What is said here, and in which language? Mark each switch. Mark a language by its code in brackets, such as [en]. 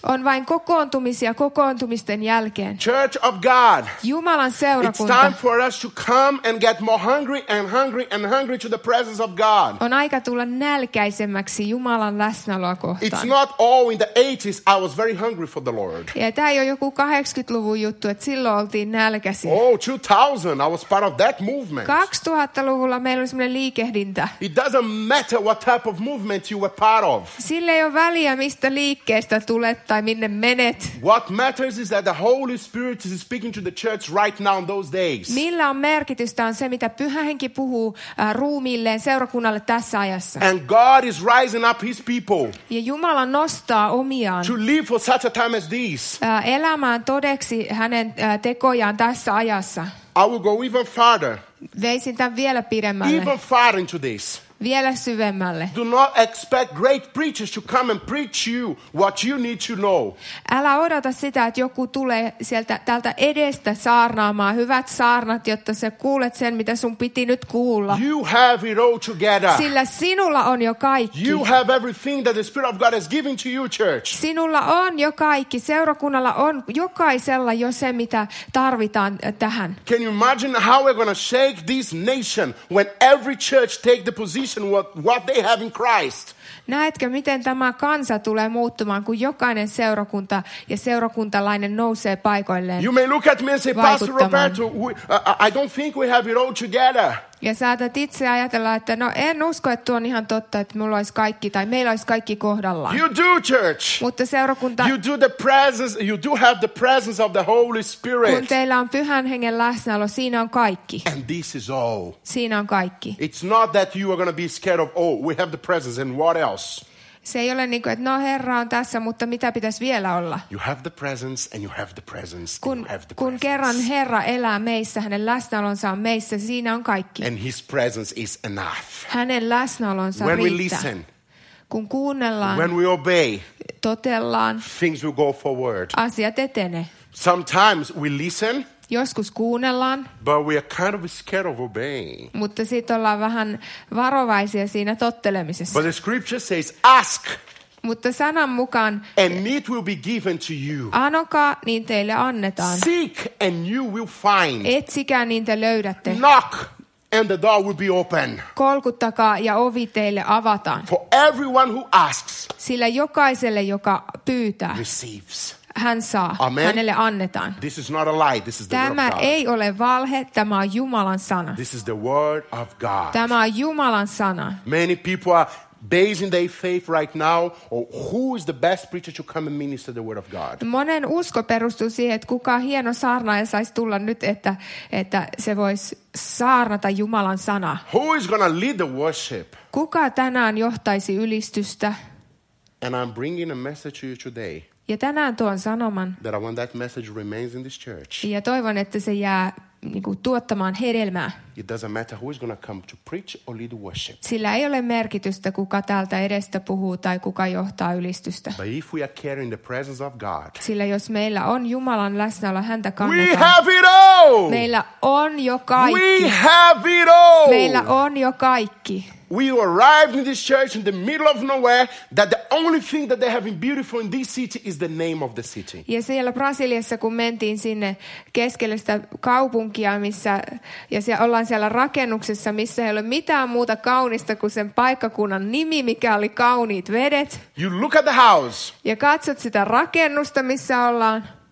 [fi] On vain kokoontumisia kokoontumisten jälkeen. [en] Church of God, [fi] Jumalan seurakunta. [en] It's time for us to come and get more hungry and hungry and hungry to the presence of God. [fi] On aika tulla nälkäisemmäksi Jumalan läsnäoloa kohtaan. [en] It's not all in the 80s, I was very hungry for the Lord. [fi] Ja tämä ei ole joku 80-luvun juttu, että silloin oltiin nälkäisiä. [en] Oh, 2000, I was part of that movement. [fi] 2000-luvulla meillä oli semmoinen liikehdintä. [en] It doesn't matter what type of movement you were part of. [fi] Sillä ei ole väliä, mistä liikkeestä tulet tai minne menet. [en] What matters is that the Holy Spirit is speaking to the church right now in those days. [fi] Millä on merkitystä on se, mitä Pyhä Henki puhuu ruumiilleen, seurakunnalle tässä ajassa. [en] And God is rising up his people. [fi] Ja Jumala nostaa omiaan. [en] To live for such a time as these. [fi] Elämään todeksi hänen tekojaan tässä. Ajassa. [en] I will go even farther. [fi] Veisin tämän vielä pidemmälle. [en] Even farther into this. [fi] Vielä syvemmälle. [en] Do not expect great preachers to come and preach you what you need to know. [fi] Älä odota sitä, että joku tulee sieltä tältä edestä saarnaamaan hyvät saarnat, jotta sä kuulet sen, mitä sun piti nyt kuulla. [en] You have it all together. [fi] Sillä sinulla on jo kaikki. [en] You have everything that the Spirit of God has given to you, church. [fi] Sinulla on jo kaikki. Seurakunnalla on jokaisella jo se, mitä tarvitaan tähän. [en] Can you imagine how we're going to shake this nation when every church take the position? What they have in Christ. [fi] Näetkö, miten tämä kansa tulee muuttumaan, kun jokainen seurakunta ja seurakuntalainen nousee paikoilleen. [en] You may look at me and say, Pastor Roberto, I don't think we have it all together. [fi] Ja saatat itse ajatella, että no en usko, että tuo on ihan totta, että mulla olisi kaikki tai meillä olisi kaikki kohdallaan. [en] You do, church. [fi] Mutta seurakunta, [en] you do the presence, you do have the presence of the Holy Spirit. [fi] Kun teillä on Pyhän Hengen läsnäolo, siinä on kaikki. [en] And this is all. [fi] Siinä on kaikki. [en] It's not that you are going to be scared of, oh, we have the presence and what else? [fi] Se ei ole niin kuin, että no Herra on tässä, mutta mitä pitäisi vielä olla? [en] You have the presence and you have the presence. [fi] Kun kerran Herra elää meissä, hänen läsnäolonsa on meissä, siinä on kaikki. [en] And his presence is enough. [fi] Hänen läsnäolonsa [en] when [fi] riittää. [en] We listen, [fi] kun kuunnellaan, [en] when we obey, [fi] totellaan, [en] things will go forward. [fi] Asiat etene. [en] Sometimes we listen. [fi] Joskus kuunnellaan, [en] but we are kind of scared of obeying. [fi] Mutta sitten ollaan vähän varovaisia siinä tottelemisessa. [en] But the scripture says, ask. [fi] Mutta sanan mukaan, [en] and it will be given to you. [fi] Anokaa, niin teille annetaan. [en] Seek, and you will find. [fi] Etsikää, niin te löydätte. [en] Knock, and the door will be open. [fi] Kolkuttakaa, ja ovi teille avataan. [en] For everyone who asks, [fi] sillä jokaiselle, joka pyytää, [en] receives. [fi] Hän saa. [en] Amen. [fi] Hänelle annetaan. [en] This is not a lie. This is the [fi] tämä [en] word of God. [fi] Ei ole valhe. Tämä on Jumalan sana. [en] This is the word of God. [fi] Tämä on Jumalan sana. [en] Many people are basing their faith right now on who is the best preacher to come and minister the word of God. [fi] Monen usko perustuu siihen, että kuka hieno saarnaaja saisi tulla nyt, että se voisi saarnata Jumalan sana. [en] Who is gonna lead the worship? [fi] Kuka tänään johtaisi ylistystä? [en] And I'm bringing a message to you today. [fi] Ja tänään tuon sanoman. [en] That I want that message remains in this church. [fi] Ja toivon, että se jää niinku tuottamaan hedelmää. [en] It doesn't matter who is going to come to preach or lead worship. [fi] Sillä ei ole merkitystä, kuka täältä edestä puhuu tai kuka johtaa ylistystä. [en] But if we are carrying the presence of God. [fi] Sillä jos meillä on Jumalan läsnäolo, häntä kannetaan. [en] We have it all. [fi] Meillä on jo kaikki. [en] We have it all. [fi] Meillä on jo kaikki. [en] We arrived in this church in the middle of nowhere that the only thing that they have in beautiful in this city is the name of the city. [fi] Ja siellä Brasiliassa kun mentiin sinne keskelle sitä kaupunkia missä ja siellä ollaan siellä rakennuksessa missä ei ole mitään muuta kaunista kuin sen paikkakunnan nimi mikä oli kauniit vedet. [en] You look at the house. [fi] Ja katsot sitä rakennusta missä ollaan.